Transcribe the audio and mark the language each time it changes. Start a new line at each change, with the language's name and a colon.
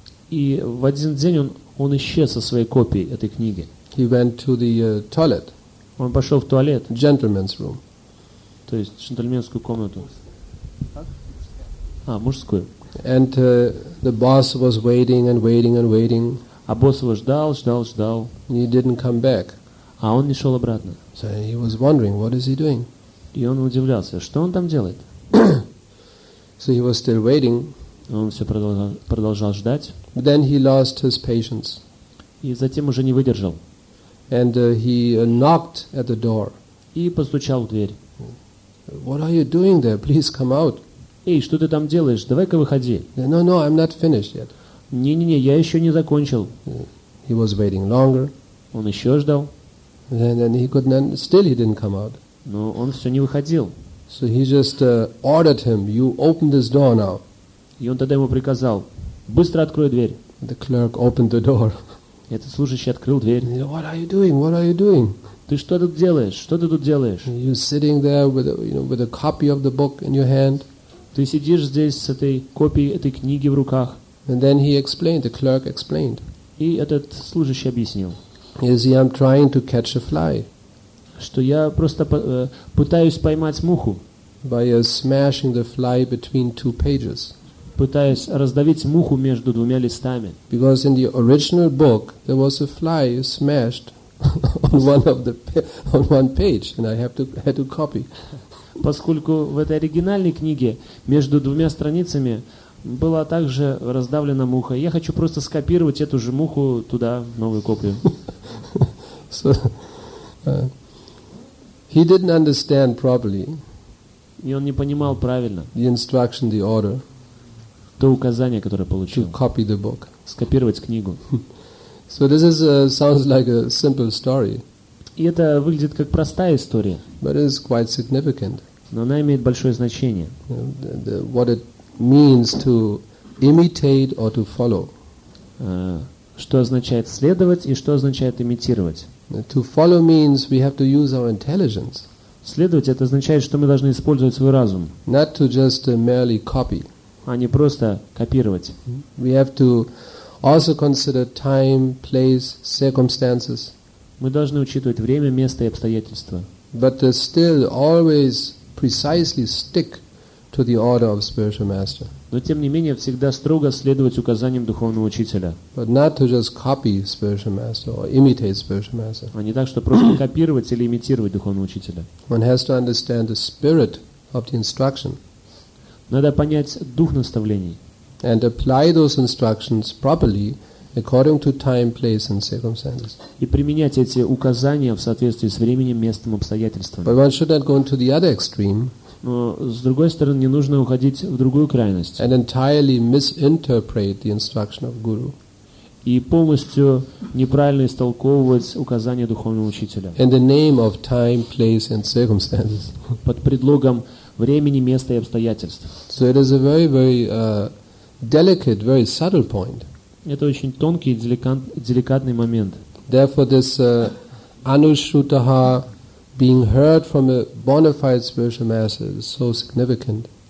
Russian: И в один день он исчез со своей копией этой книги.
English: He went to the toilet.
Russian: Он пошел в туалет.
English: Gentleman's room.
Russian: То есть джентльменскую комнату. Мужскую.
English: And the boss was waiting and waiting and waiting.
Russian: А босс его ждал.
English: He didn't come back.
Russian: А он не шел обратно.
English: So he was wondering, what is he doing?
Russian: И он удивлялся, что он там делает.
English: So he was still waiting.
Russian: Он все продолжал ждать.
English: But then he lost his patience.
Russian: И затем уже не выдержал.
English: And he knocked at the door.
Russian: И постучал в дверь.
English: What are you doing there? Please come out.
Russian: Эй, что ты там делаешь? Давай-ка выходи.
English: No, I'm not finished yet.
Russian: Не, я еще не закончил.
English: He was waiting longer.
Russian: Он еще ждал.
English: And he could not, still he didn't come out.
Russian: Но он все не выходил.
English: So he just ordered him, you open this door now.
Russian: И он тогда ему приказал, быстро открой дверь.
English: The clerk opened the door.
Russian: Этот служащий открыл дверь.
English: He said, What are you doing?
Russian: Ты что тут делаешь? Что ты тут делаешь?
English: You're sitting there with a copy of the book in your hand.
Russian: Ты сидишь здесь с этой копией этой книги в руках.
English: And then he explained, the clerk explained.
Russian: И этот служащий объяснил.
English: Is he, I'm trying to catch a fly.
Russian: Что я просто пытаюсь поймать муху.
English: By smashing the fly between two pages.
Russian: Пытаюсь раздавить муху между двумя листами.
English: Because in the original book there was a fly smashed on one page, and I had to copy.
Russian: Поскольку в этой оригинальной книге между двумя страницами была также раздавлена муха. Я хочу просто скопировать эту же муху туда, в новую копию.
English: So, he didn't understand properly.
Russian: И он не понимал правильно.
English: The instruction, the order.
Russian: То указание, которое получил.
English: To copy the book.
Russian: Скопировать книгу.
English: So this is sounds like a simple story.
Russian: И это выглядит как простая история.
English: But it is quite significant.
Russian: Но она имеет большое значение.
English: What it means to imitate or to follow.
Russian: Что означает следовать и что означает имитировать?
English: To follow means we have to use our intelligence.
Russian: Следовать — это означает, что мы должны использовать свой разум.
English: Not to just merely copy.
Russian: А не просто копировать.
English: We have to also consider time, place, circumstances.
Russian: Мы должны учитывать время, место и обстоятельства.
English: But still always precisely stick to the order of spiritual master.
Russian: Но тем не менее всегда строго следовать указаниям духовного учителя.
English: But not to just copy spiritual master or imitate spiritual master.
Russian: А не так, что просто копировать или имитировать духовного учителя.
English: One has to understand the spirit of the instruction.
Russian: Надо понять дух наставлений.
English: And apply those instructions properly according to time, place, and circumstances.
Russian: И применять эти указания в соответствии с временем, местом, обстоятельствами.
English: But one should not go into the other extreme.
Russian: Но с другой стороны, не нужно уходить в другую крайность.
English: And entirely misinterpret the instruction of guru.
Russian: И полностью неправильно истолковывать указания духовного учителя.
English: In the name of time, place, and circumstances.
Russian: Под предлогом времени, места и обстоятельств.
English: So it is a very, very delicate, very subtle point.
Russian: Это очень тонкий и деликатный момент.
English: Therefore, this anushrutaha being heard from a bona fide spiritual master is so significant.